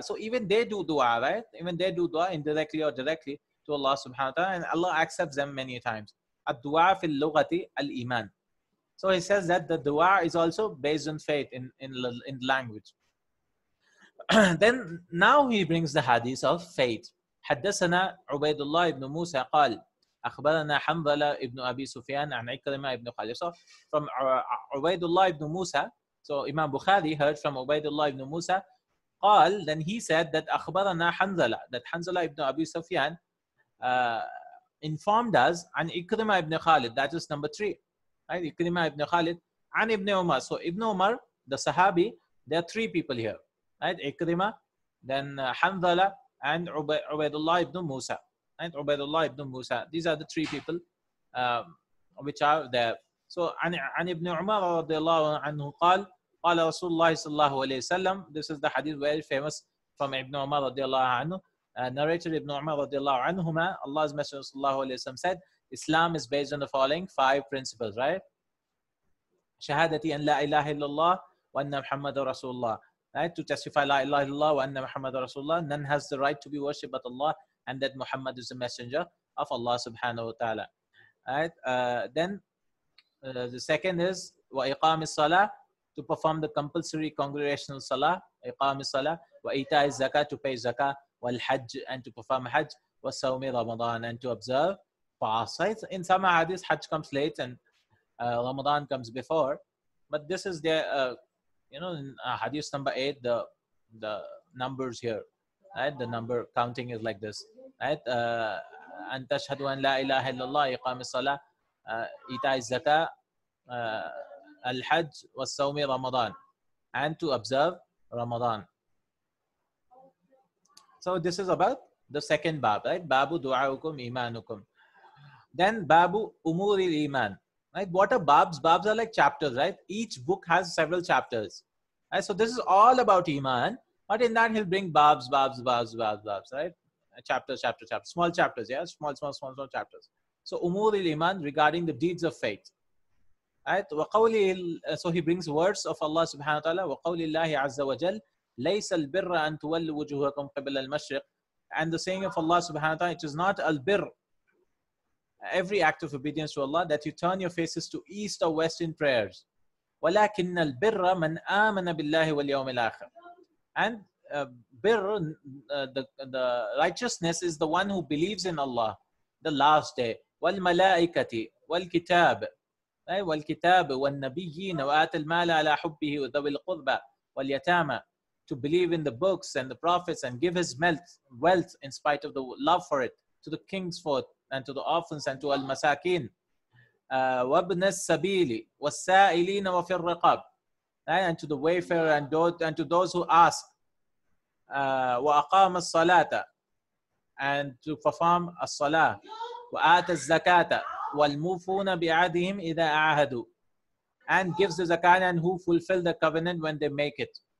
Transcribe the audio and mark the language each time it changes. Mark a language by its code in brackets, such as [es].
[en] So even they do dua, right? Even they do dua indirectly or directly to Allah subhanahu wa ta'ala, and Allah accepts them many times. [ar] الدُّعَى فِي اللُّغَةِ al-iman. [en] So he says that the dua is also based on faith in language. Then now he brings the hadith of faith. [ar] حَدَّثَنَا عُبَيْدُ اللَّهِ ibn Musa قَالْ أخبرنا حنظلة ابن أبي سفيان عن عكرمة ابن خالد. [en] From Ubaidullah ibn Musa, so Imam Bukhari heard from Ubaidullah ibn Musa, قال, then he said that [ar] أخبرنا حنظلة, [en] that حنظلة ابن أبي سفيان informed us عن عكرمة ابن خالد, that is number three, right? [ar] عكرمة ابن خالد عن ابن عمر. [en] So ابن عمر, the Sahabi, there are three people here, right? عكرمة, then حنظلة, and Ubaidullah ibn Musa. And Ubaidullah ibn Musa. These are the three people which are there. [ar] So, عن ابن عمر رضي الله عنه قال قال رسول الله صلى الله عليه وسلم [en] This is the hadith very famous from [ar] ابن عمر رضي الله عنه. [en] Narrated ابن عمر [ar] رضي الله عنهما [en] Allah's Messenger [ar] صلى الله عليه وسلم [en] said Islam is based on the following five principles, right? [ar] شهادتي أن لا إله إلا الله وأن محمد رسول الله. [en] Right? To testify [ar] لا إله إلا الله وأن محمد رسول الله. [en] None has the right to be worshipped but Allah. And that Muhammad is the messenger of Allah subhanahu wa ta'ala. Right? The second is [ar] wa iqam as-salah, [en] to perform the compulsory congregational salah, iqam as-salah, [ar] wa ita az-zakah, [en] to pay zakah, wal hajj, and to perform hajj, [ar] wa sawmi ramadan, [en] and to observe fast. Right? In some hadith, hajj comes late and ramadan comes before. But this is the, in hadith number 8, the numbers here. Right? The number counting is like this. [ar] Right, أن تشهد أن لا إله إلا الله إقام الصلاة إيتاء الزكاة الحج والصوم رمضان [en] and to observe Ramadan. So this is about the second bab, right? Babu [ar] دعاءكم إيمانكم. [en] Then babu [ar] أمور الإيمان. [en] Right? What are babs? Babs are like chapters, right? Each book has several chapters. Right? So this is all about iman, but in that he'll bring babs, right? Chapter, small chapters, yeah, small chapters. So, [ar] umur al-iman [en] regarding the deeds of faith. Right? [ar] وقولي, [en] so he brings words of Allah subhanahu wa ta'ala, [ar] وقول الله عز وجل ليس البر أن تولوا وجوهكم قبل المشرق. [en] And the saying of Allah subhanahu wa ta'ala, it is not al-birr, every act of obedience to Allah, that you turn your faces to east or west in prayers. [ar] ولكن البر من آمن بالله واليوم الآخر. [en] And birr, the righteousness is the one who believes in Allah, the last day. [ar] والملائكة والكتاب. أي والكتاب والنبيين وآت المال على حبه وذوي القربى واليتامى. [en] To believe in the books and the prophets and give his wealth in spite of the love for it to the kings for it and to the orphans and to al masakin. [ar] وابن السبيل والسائلين وفي الرقاب. [en] And to the wayfarer and to those who ask. [ar] وأقام الصلاة. [en] And to perform [ar] الصلاة. وآت الزكاة. وَالْمُوفُونَ بِعَدِهِمْ إِذَا أَعَهَدُوا. [en] And gives the zakat and who fulfill the covenant when they make it.